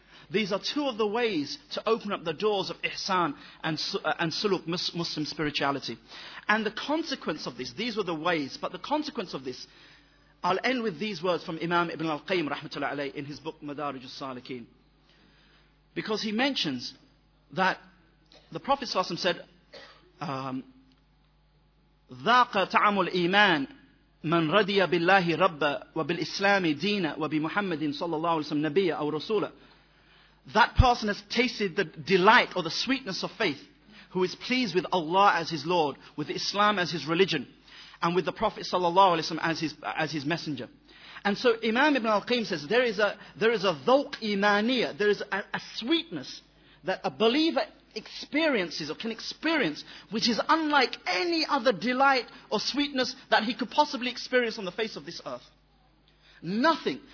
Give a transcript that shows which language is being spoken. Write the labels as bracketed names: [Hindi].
[English] These are two of the ways to open up the doors of ihsan and suluk, Muslim spirituality. And the consequence of this, these were the ways, but the consequence of this, I'll end with these words from Imam Ibn al-Qayyim rahmatullah alayhi in his book Madarij al-Salikin. Because he mentions that the Prophet ﷺ said, [Arabic] ذَاقَ تَعَمُ الْإِيمَانِ مَنْ رَضِيَ بِاللَّهِ رَبَّ وَبِالْإِسْلَامِ دِينَ وَبِمُحَمَّدٍ صَلَّى اللَّهُ عَلَيْهِ وَسَلَّمَ نَبِيًّا أَوْ رَسُولًا. [English] That person has tasted the delight or the sweetness of faith, who is pleased with Allah as his Lord, with Islam as his religion, and with the Prophet ﷺ as his messenger. And so Imam Ibn al-Qayyim says, there is a dhawq imaniya, there is a sweetness that a believer experiences or can experience, which is unlike any other delight or sweetness that he could possibly experience on the face of this earth. Nothing.